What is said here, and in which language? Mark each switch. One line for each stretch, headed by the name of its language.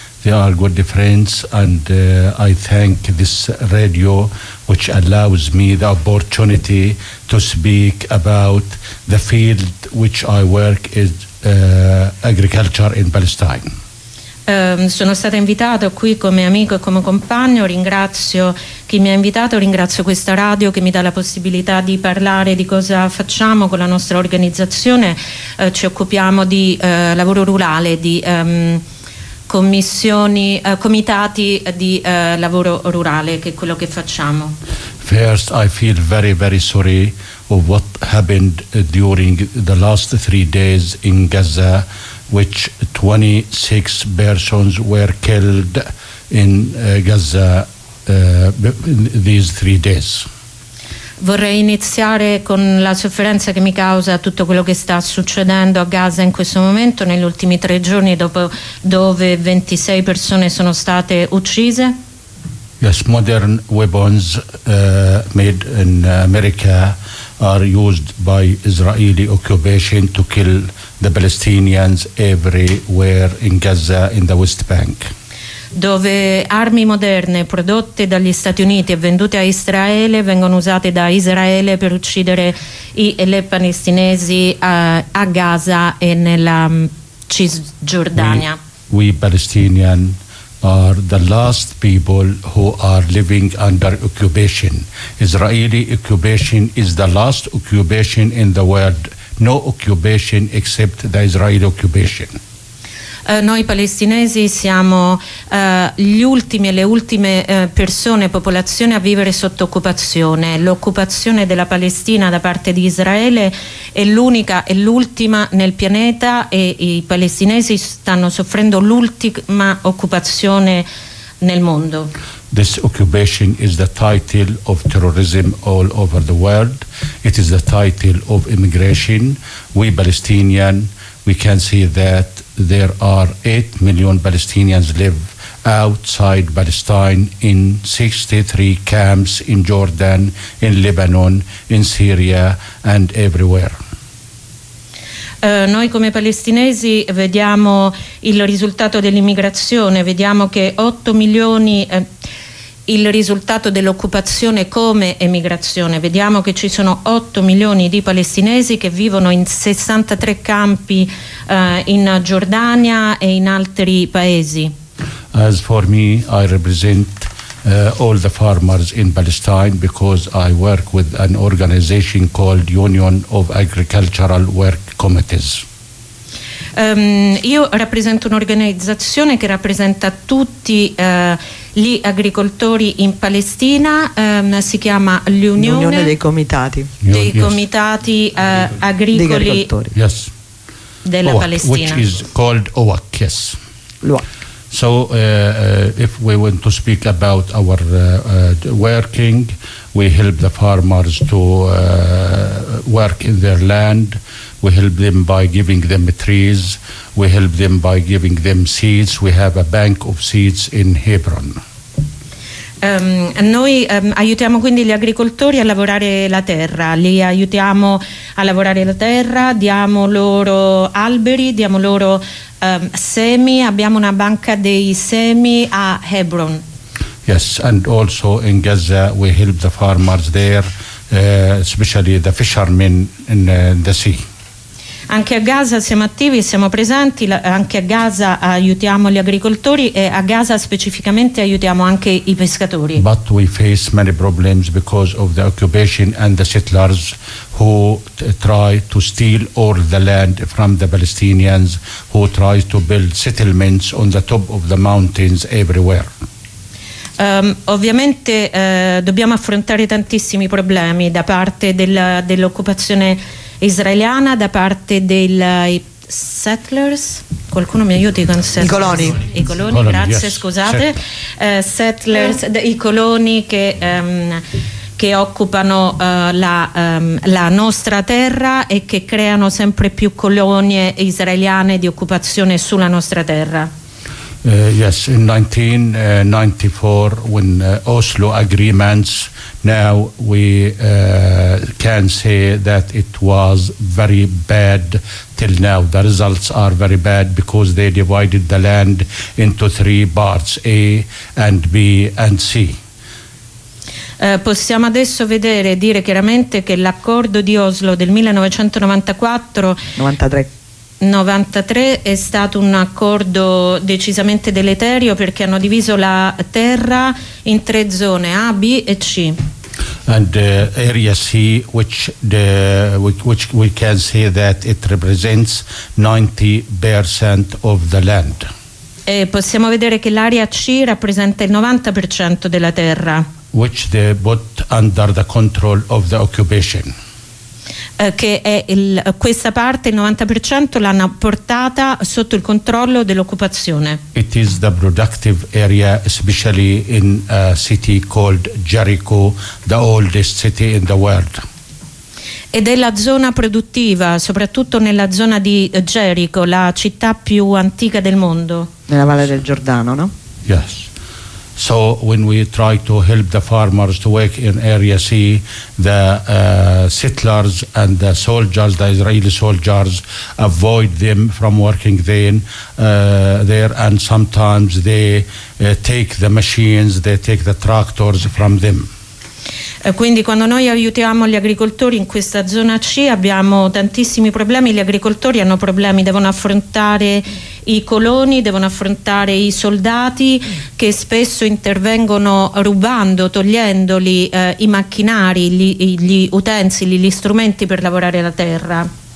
English: They are good friends, and I thank this radio which allows me the opportunity to speak about the field which I work is agriculture in Palestine.
Italian: Sono stata invitato qui come amico e come compagno, ringrazio chi mi ha invitato, ringrazio questa radio che mi dà la possibilità di parlare di cosa facciamo con la nostra organizzazione. Ci occupiamo di lavoro rurale, di commissioni, comitati di lavoro rurale, che è quello che facciamo.
English: First, I feel very, very sorry of what happened during the last three days in Gaza, which 26 persons were killed in Gaza in these three days.
Italian: Vorrei iniziare con la sofferenza che mi causa tutto quello che sta succedendo a Gaza in questo momento, negli ultimi tre giorni, dove 26 persone sono state uccise.
English: Yes, modern weapons made in America are used by Israeli occupation to kill the Palestinians everywhere in Gaza, in the West Bank.
Italian: Dove armi moderne prodotte dagli Stati Uniti e vendute a Israele vengono usate da Israele per uccidere le palestinesi a Gaza e nella Cisgiordania.
English: We Palestinians are the last people who are living under occupation. Israeli occupation is the last occupation in the world. No occupation except the Israeli occupation.
Italian: Noi palestinesi siamo gli ultimi e le ultime persone, popolazione a vivere sotto occupazione. L'occupazione della Palestina da parte di Israele è l'unica e l'ultima nel pianeta, e i palestinesi stanno soffrendo l'ultima occupazione nel mondo.
English: This occupation is the title of terrorism all over the world. It is the title of immigration. We Palestinian, we can see that there are 8 million Palestinians live outside Palestine in 63 camps in Jordan, in Lebanon, in Syria and everywhere.
Italian: Noi come palestinesi vediamo il risultato dell'immigrazione, vediamo che 8 milioni il risultato dell'occupazione come emigrazione. Vediamo che ci sono 8 milioni di palestinesi che vivono in 63 campi in Giordania e in altri paesi.
English: As for me, I represent all the farmers in Palestine because I work with an organization called Union of Agricultural Work Committees.
Italian: Io rappresento un'organizzazione che rappresenta tutti gli agricoltori in Palestina, si chiama l'Unione dei Comitati, comitati agricoli
English: yes.
Italian: della OAC, Palestina.
English: Which is called OAC, yes.
Italian: L'OAC.
English: So if we want to speak about our working, we help the farmers to work in their land. We help them by giving them trees. We help them by giving them seeds. We have a bank of seeds in Hebron.
Italian: Noi aiutiamo quindi gli agricoltori a lavorare la terra, li aiutiamo a lavorare la terra, diamo loro alberi, diamo loro semi, abbiamo una banca dei semi a Hebron.
English: Yes, and also in Gaza we help the farmers there, especially the fishermen in the sea.
Italian: Anche a Gaza siamo attivi, siamo presenti, anche a Gaza aiutiamo gli agricoltori e a Gaza specificamente aiutiamo anche i pescatori.
English: But we face many problems because of the occupation and the settlers who try to steal all the land from the Palestinians, who try to build settlements on the top of the mountains everywhere.
Italian: Ovviamente dobbiamo affrontare tantissimi problemi da parte dell'occupazione israeliana, da parte dei settlers. Qualcuno mi aiuti con settlers? I coloni, grazie, yes. Scusate. Settlers, i coloni che occupano la nostra terra e che creano sempre più colonie israeliane di occupazione sulla nostra terra.
English: Yes, in 1994, when Oslo agreements, now we can say that it was very bad till now. The results are very bad because they divided the land into three parts, A and B and C.
Italian: Possiamo adesso vedere, dire chiaramente che l'accordo di Oslo del 1993 è stato un accordo decisamente deleterio perché hanno diviso la terra in tre zone A, B e C.
English: And area C, which we can say that it represents 90% of the land.
Italian: E possiamo vedere che l'area C rappresenta il 90% della terra.
English: Which they put under the control of the occupation.
Italian: Che è questa parte, il 90% l'hanno portata sotto il controllo dell'occupazione.
English: It is the productive area, especially in a city called Jericho, the oldest city in the world.
Italian: Ed è la zona produttiva, soprattutto nella zona di Jericho, la città più antica del mondo. Nella valle del Giordano, no?
English: Yes. So when we try to help the farmers to work in Area C, the settlers and the soldiers, the Israeli soldiers, avoid them from working there, and sometimes they take the machines, they take the tractors from them.
Italian: Quindi quando noi aiutiamo gli agricoltori in questa zona C abbiamo tantissimi problemi, gli agricoltori hanno problemi, devono affrontare i coloni, devono affrontare i soldati che spesso intervengono rubando, togliendoli i macchinari, gli utensili, gli strumenti per lavorare la terra.